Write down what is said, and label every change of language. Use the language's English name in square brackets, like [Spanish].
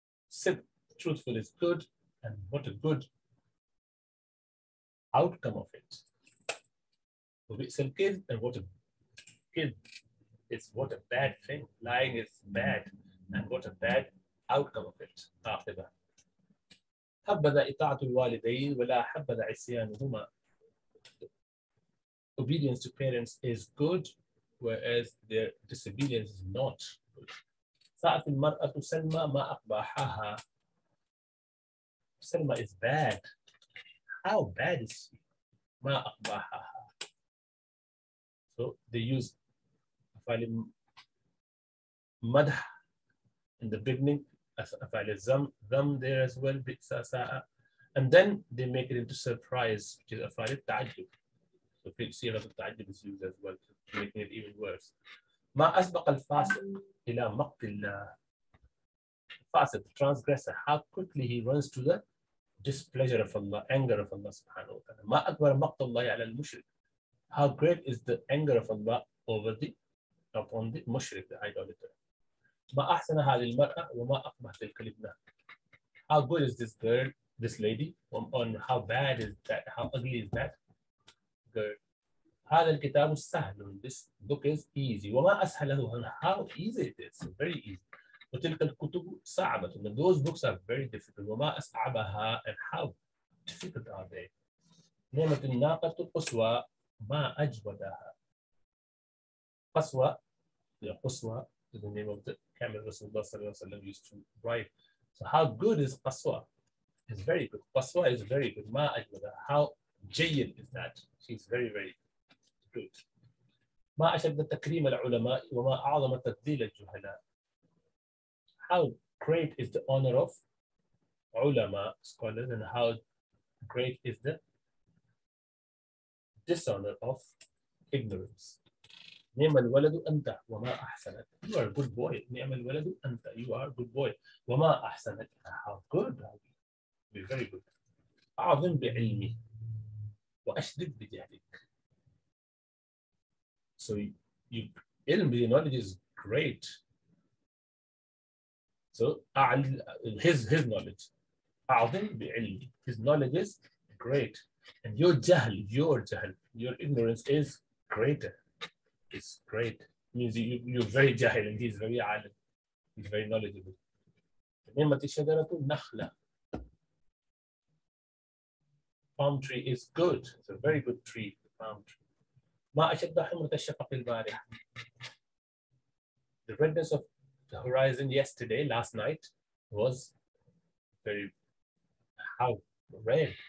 [English] صدق, truthful is good, and what a good outcome of it. [Arabic] وبئس الكذب, [English] and what a kid is, what a bad thing. Lying is bad, and what a bad outcome of it. [Arabic] عاقبة. حبذا إطاعة الوالدين ولا حبذا عصيانهما. [English] Obedience to parents is good, whereas their disobedience is not. [Arabic] سأت المرأة سلمى ما أقباحها. [English] سلمى is bad. How bad is she? [Arabic] ما أقباحها. [English] So they use [Arabic] أفعال مدح [English] in the beginning, [Arabic] أفعال ذم [English] there as well, [Arabic] بئس ساء. [English] And then they make it into surprise, which is [Arabic] أفعال التعجب. [English] So [Arabic] صيغة التعجب [English] is used as well, making it even worse. [Arabic] ما أسبق الفاسق إلى مقت الله. [English] Fasid, the transgressor, how quickly he runs to the displeasure of Allah, anger of Allah subhanahu wa ta'ala. [Arabic] ما أكبر مقت الله على المشرك. [English] How great is the anger of Allah over the upon the mushrik, the idolater. [Arabic] ما أحسن هذه المرأة وما أقبح تلك الابنة. [English] How good is this girl, this lady, and how bad is that, how ugly is that girl. [Arabic] هذا الكتاب سهل. [English] This book is easy. [Arabic] وما أسهله. [English] How easy it is. Very easy. وتلك الكتب صعبة. Those books are very difficult. [Arabic] وما أصعبها. [English] And how difficult are they. [Arabic] نعمة الناقة القصوى. ما أجودها. قصوى يعني قصوى [English] is the name of the camel Rasulullah [Arabic] صلى الله عليه وسلم [English] used to ride. So how good is قصوى? It's very good. قصوى is very good. [Arabic] ما أجودها. [English] How جيد is that? She's very very good. [Arabic] ما أشد تكريم العلماء وما أعظم تذليل الجهلاء. [English] How great is the honor of ulama scholars and how great is the dishonor of ignorance. [Arabic] نعم الولد أنت وما أحسنت. [English] You are a good boy. [Arabic] نعم الولد أنت. You are a good boy. وما أحسنت. [English] How good are you? Be very good. [Arabic] أعظم بعلمي وأشدد بجهلك. [English] So you, ilm, the knowledge is great. So his knowledge. [Arabic] أعظم بعلمي. [English] His knowledge is great. And your jahl, your ignorance is greater. It's great. Means you're very jahil and he's very alim. He's very knowledgeable. [Arabic] نعمة الشجرة نخلة. [English] Palm tree is good. It's a very good tree, the palm tree. [Arabic] ما أشد حمرة الشفق البارحة. [English] The redness of the horizon yesterday, last night, was very how red.